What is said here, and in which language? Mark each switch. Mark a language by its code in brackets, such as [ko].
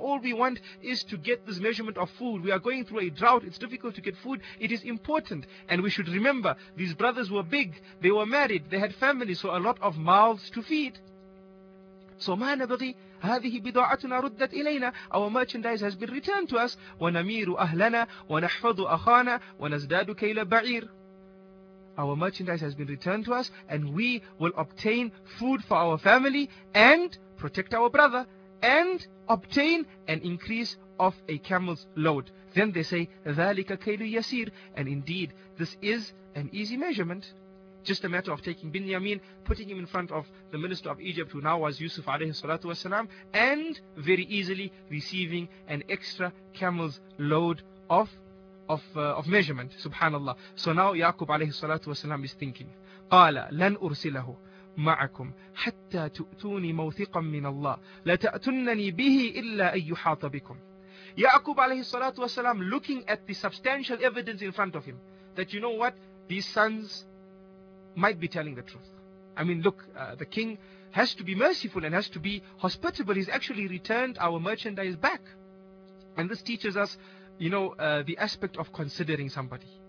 [en] All we want is to get this measurement of food. We are going through a drought. It's difficult to get food. It is important. And we should remember, these brothers were big. They were married. They had families. So a lot of mouths to feed. So [ar] ما نبغي, هذه بضاعتنا ردت إلينا. [en] Our merchandise has been returned to us. [ar] ونمير أهلنا ونحفظ أخانا ونزداد كيل بعير. [en] Our merchandise has been returned to us and we will obtain food for our family and protect our brother and obtain an increase of a camel's load. Then they say, [ar] ذلك كيل يسير. [en] And indeed, this is an easy measurement. Just a matter of taking Binyamin, putting him in front of the minister of Egypt, who now was Yusuf alayhi salatu wasalam, and very easily receiving an extra camel's load of measurement. Subhanallah. So now Yaqub alayhi salatu wasalam is thinking, [ar] قال لن أرسله معكم حتى تؤتوني موثقا من الله لا تأتونني به إلا أن يحاط بكم. [en] Yaqub alayhi salatu wasalam, looking at the substantial evidence in front of him, that you know what, these sons might be telling the truth. I mean, look, the king has to be merciful and has to be hospitable. He's actually returned our merchandise back. And this teaches us, you know, the aspect of considering somebody.